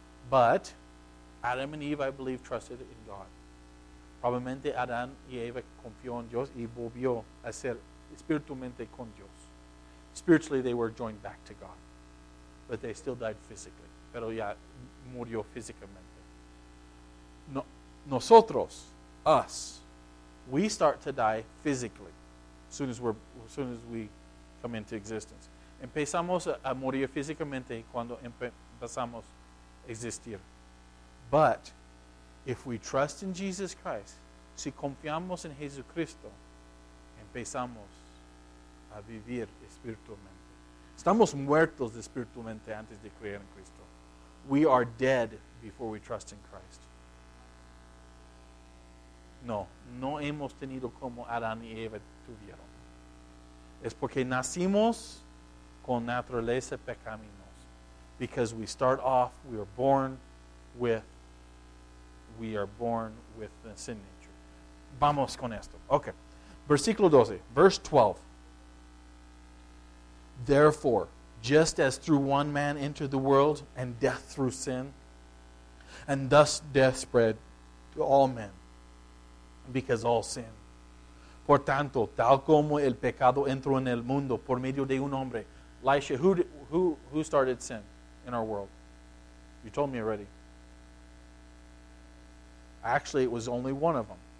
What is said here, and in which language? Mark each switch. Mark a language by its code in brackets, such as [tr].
[en] But Adam and Eve, I believe, trusted in God. [es] Probablemente Adán y Eva confió en Dios y volvió a ser espiritualmente con Dios. [en] Spiritually, they were joined back to God. But they still died physically. [es] Pero ya murió físicamente. No, nosotros, [en] us, we start to die physically as soon as we come into existence. [es] Empezamos a morir físicamente cuando empezamos a existir. [en] But if we trust in Jesus Christ, [es] si confiamos en Jesucristo, empezamos a vivir espiritualmente. Estamos muertos espiritualmente antes de creer en Cristo. [en] We are dead before we trust in Christ. [es] No hemos tenido como Adán y Eva tuvieron. Es porque nacimos con naturaleza pecaminosa. [en] Because we start off, we are born with the sin nature. [es] Vamos con esto. Okay. Versículo 12. [en] Verse 12. Therefore, just as through one man entered the world and death through sin, and thus death spread to all men, because all sin. [es] Por tanto, tal como el pecado entró en el mundo por medio de un hombre. [en] Lisha, who started sin in our world? You told me already. Actually, it was only one of them.